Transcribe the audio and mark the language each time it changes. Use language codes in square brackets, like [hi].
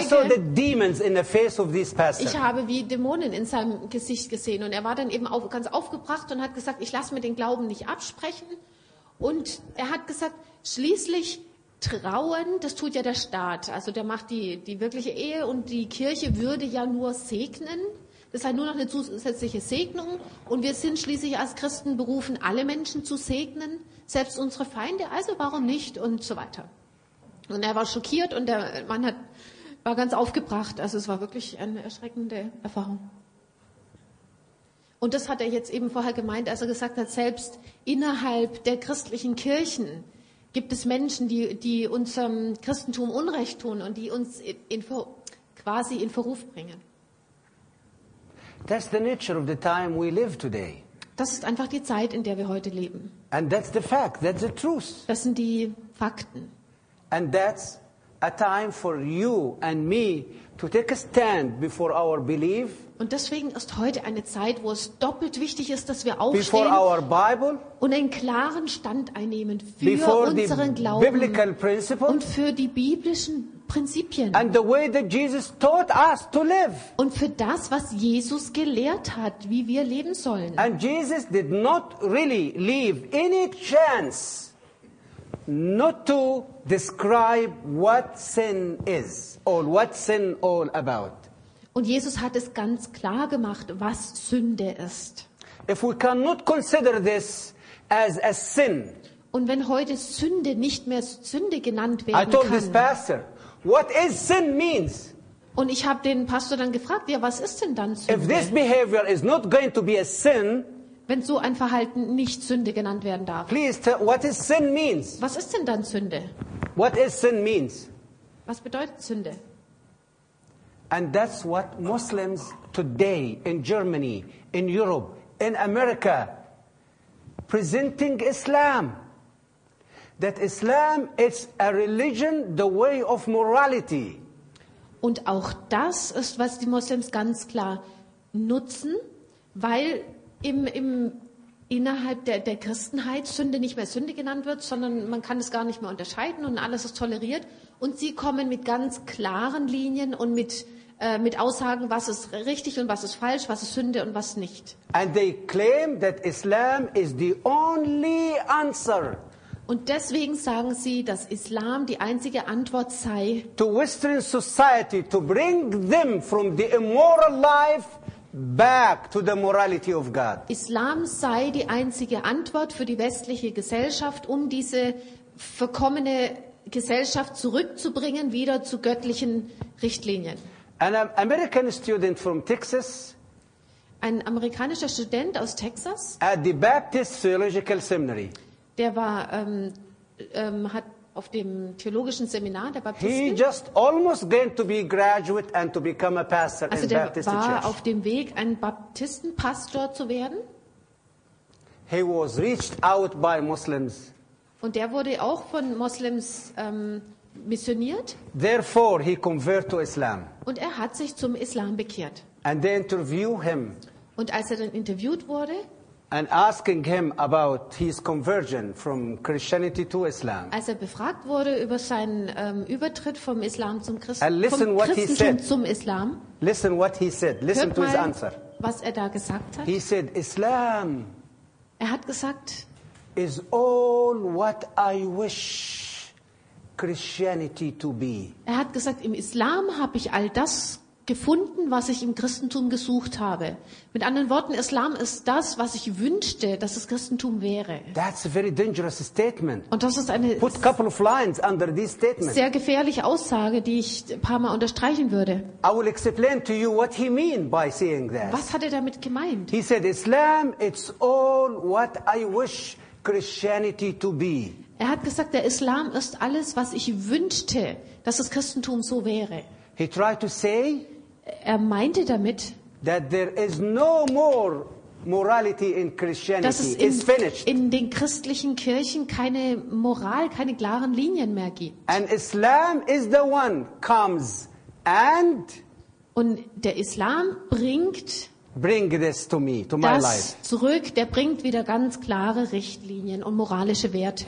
[en] I saw the demons in the face of this pastor. [de] Ich habe wie Dämonen in seinem Gesicht gesehen und er war dann eben ganz aufgebracht und hat gesagt, ich lasse mir den Glauben nicht absprechen. Und er hat gesagt, schließlich trauen, das tut ja der Staat. Also der macht die wirkliche Ehe und die Kirche würde ja nur segnen. Das sei nur noch eine zusätzliche Segnung. Und wir sind schließlich als Christen berufen, alle Menschen zu segnen, selbst unsere Feinde. Also warum nicht? Und so weiter. Und er war schockiert und der Mann war ganz aufgebracht. Also es war wirklich eine erschreckende Erfahrung. Und das hat er jetzt eben vorher gemeint, als er gesagt hat, selbst innerhalb der christlichen Kirchen gibt es Menschen, die unserem Christentum Unrecht tun und die uns quasi in Verruf bringen. [en] That's the nature of the time we live today. [de] Das ist einfach die Zeit, in der wir heute leben. [en] And that's the fact, that's the truth. [de] Das sind die Fakten. [en] And that's a time for you and me to take a stand before our belief. [de] Und deswegen ist heute eine Zeit, wo es doppelt wichtig ist, dass wir aufstehen [en] before our Bible, [de] und einen klaren Stand einnehmen für unseren Glauben [en] biblical principles, [de] und für die biblischen Prinzipien [en] and the way that Jesus taught us to live. [de] Und für das, was Jesus gelehrt hat, wie wir leben sollen. [en] And Jesus did not really leave any chance not to describe what sin is or what sin all about. [de] Und Jesus hat es ganz klar gemacht, was Sünde ist. [en] If we cannot consider this as a sin. [de] Und wenn heute Sünde nicht mehr Sünde genannt werden kann. [en] I told this pastor what is sin means. [de] Und ich habe den Pastor dann gefragt, ja, was ist denn dann Sünde? [en] If this behavior is not going to be a sin. [de] Wenn so ein Verhalten nicht Sünde genannt werden darf. [en] Please tell what is sin means. [de] Was ist denn dann Sünde? [en] What is sin means? [de] Was bedeutet Sünde? [en] And that's what Muslims today in Germany, in Europe, in America, presenting Islam. That Islam is a religion, the way of morality. [de] Und auch das ist, was die Moslems ganz klar nutzen, weil innerhalb der Christenheit Sünde nicht mehr Sünde genannt wird, sondern man kann es gar nicht mehr unterscheiden und alles ist toleriert. Und sie kommen mit ganz klaren Linien und mit Aussagen, was ist richtig und was ist falsch, was ist Sünde und was nicht. [en] And they claim that Islam is the only answer. [de] Und deswegen sagen sie, dass Islam die einzige Antwort sei, [en] to Western society, to bring them from the immoral life back to the morality of God. [de] Islam sei die einzige Antwort für die westliche Gesellschaft, um diese verkommene Gesellschaft zurückzubringen, wieder zu göttlichen Richtlinien. [en] An American student from Texas, [de] ein amerikanischer Student aus Texas, [en] at the Baptist Theological Seminary, [de] der war hat auf dem theologischen Seminar der Baptisten. [en] He just almost going to be graduate and to become a pastor [de] also [en] in Baptist Church. [de] Also der war auf dem Weg, ein Baptistenpastor zu werden. [en] He was reached out by Muslims. [de] Und der wurde auch von Muslims missioniert. [en] Therefore he converted to Islam. [de] Und er hat sich zum Islam bekehrt. [en] And they interview him. [de] Und als er dann interviewt wurde. [en] And asking him about his conversion from Christianity to Islam. [de] Als er befragt wurde über seinen Übertritt vom Islam zum Christentum zum Islam. [en] Listen what he said. Listen [de] hört [en] to his answer. [de] Was er da gesagt hat. [en] He said, Islam. [de] Er hat gesagt. [en] Is all what I wish Christianity to be. [de] Er hat gesagt, im Islam habe ich all das gefunden, was ich im Christentum gesucht habe. Mit anderen Worten, Islam ist das, was ich wünschte, dass das Christentum wäre. [en] That's a very dangerous statement. [de] Und das ist eine [en] put a couple of lines under this statement. [de] Sehr gefährliche Aussage, die ich ein paar Mal unterstreichen würde. [en] I will explain to you what he mean by saying that. [de] Was hat er damit gemeint? [en] He said, Islam, it's all what I wish Christianity to be. [de] Er hat gesagt, der Islam ist alles, was ich wünschte, dass das Christentum so wäre. [en] He tried to say, [de] er meinte damit, [en] that there is no more morality in Christianity. [de] Dass es in den christlichen Kirchen keine Moral, keine klaren Linien mehr gibt. [en] And Islam is the one comes and [de] und der Islam bringt [en] bring this to me, to my [de] das [en] life. [de] Zurück, der bringt wieder ganz klare Richtlinien und moralische Werte.